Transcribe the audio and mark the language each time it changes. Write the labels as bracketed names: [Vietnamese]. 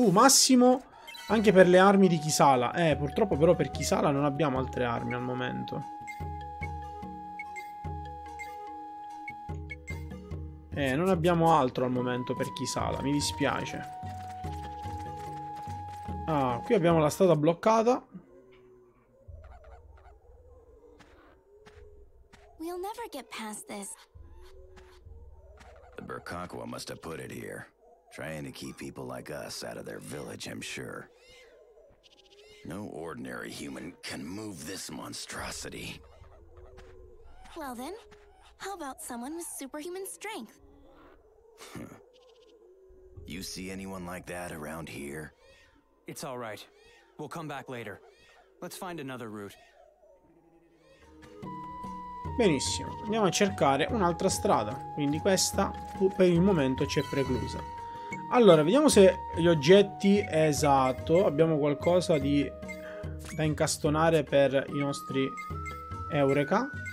[Italian] Massimo anche per le armi di Kisala. Purtroppo però per Kisala non abbiamo altre armi al momento. Non abbiamo altro al momento per Kisala, mi dispiace. Ah, qui abbiamo la strada bloccata. [English] We'll never get past this. The Berkakwa must have put it here, trying to keep people like us out of their village, I'm sure. No ordinary human can move this monstrosity. Well then, how about someone with superhuman strength? You see anyone like that around here? It's all right. We'll come back later. Let's find another route. [Italian] Benissimo, andiamo a cercare un'altra strada. Quindi questa per il momento ci è preclusa. Allora, vediamo se gli oggetti, esatto, abbiamo qualcosa di da incastonare per i nostri Eureka.